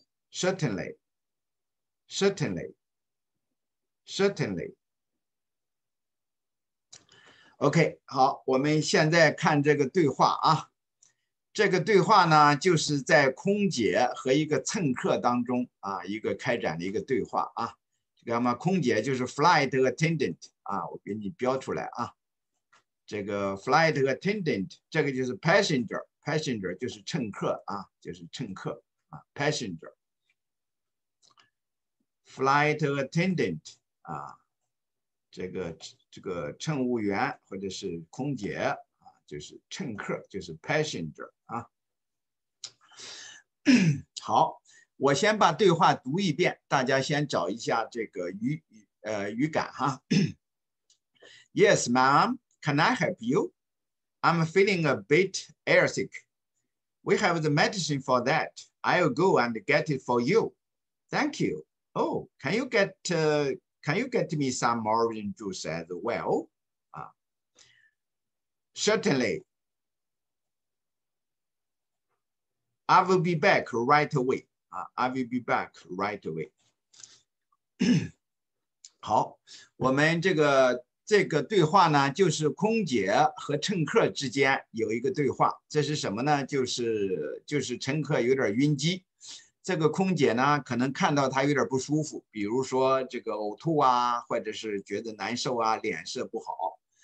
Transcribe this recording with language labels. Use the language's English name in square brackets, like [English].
[English] Certainly, certainly, certainly. [Chinese] OK, 好，我们现在看这个对话啊。这个对话呢，就是在空姐和一个乘客当中啊，一个开展的一个对话啊。这个嘛，空姐就是 flight attendant 啊，我给你标出来啊。这个 flight attendant， 这个就是 passenger， passenger 就是乘客啊，就是乘客啊， passenger。 flight attendant 啊，这个乘务员或者是空姐啊，就是乘客，就是 passenger 啊。好，我先把对话读一遍，大家先找一下这个语感哈。 [English] Yes, ma'am. Can I help you? I'm feeling a bit airsick. We have the medicine for that. I'll go and get it for you. Thank you. Oh, can you get me some orange juice as well? Certainly. I will be back right away. I will be back right away. [Chinese] 好，我们这个对话呢，就是空姐和乘客之间有一个对话。这是什么呢？就是乘客有点晕机，这个空姐呢可能看到他有点不舒服，比如说这个呕吐啊，或者是觉得难受啊，脸色不好。